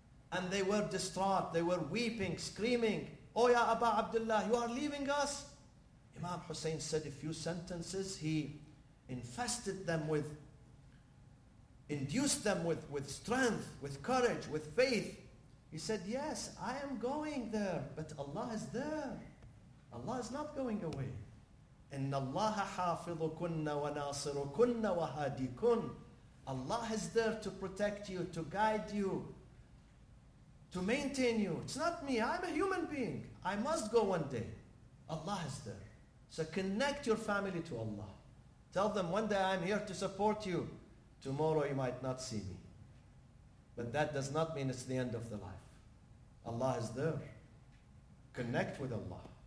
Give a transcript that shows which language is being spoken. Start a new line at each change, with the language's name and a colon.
English: And they were distraught. They were weeping, screaming, "Oh ya Aba Abdullah, you are leaving us?" Imam Hussein said a few sentences. He infested them with, induced them with strength, with courage, with faith. He said, "Yes, I am going there, but Allah is there. Allah is not going away.
Arabic: إن الله حافظكن وناصركن وهاديكن.
English: Allah is there to protect you, to guide you, to maintain you. It's not me. I'm a human being. I must go one day. Allah is there. So connect your family to Allah. Tell them, one day I'm here to support you. Tomorrow you might not see me. But that does not mean it's the end of the life. Allah is there. Connect with Allah."